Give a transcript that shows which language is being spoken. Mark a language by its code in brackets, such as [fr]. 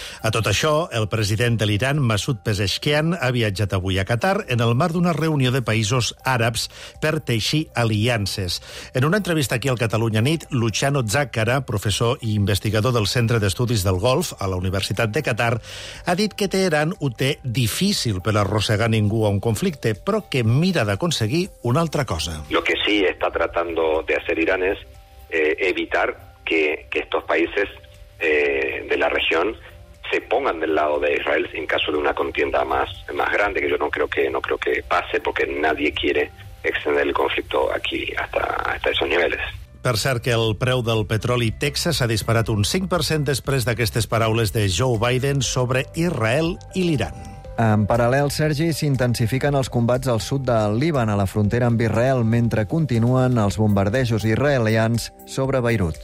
[ca] A tot això, el president de l'Iran, Massoud Pezeshkian, ha viatjat avui a Qatar en el marc d'una reunió de països àrabs per teixir aliances. En una entrevista aquí al Catalunya Nit, Luciano Zaccara, professor i investigador del Centre d'Estudis del Golf a la Universitat de Qatar, ha dit que Teheran ho té difícil per arrossegar ningú a un conflicte, però que mira d'aconseguir una altra cosa. [es] Lo que sí está tratando de hacer Irán es evitar que estos países de la región se pongan del lado de Israel en caso de una contienda más grande, que yo no creo que pase, porque nadie quiere extender el conflicto aquí hasta esos niveles. [ca] Per cert, que el preu del petroli Texas ha disparat un 5% després d'aquestes paraules de Joe Biden sobre Israel i l'Iran. En paral·lel, Sergi, s'intensifiquen els combats al sud del Líban, a la frontera amb Israel, mentre continuen els bombardejos israelians sobre Beirut.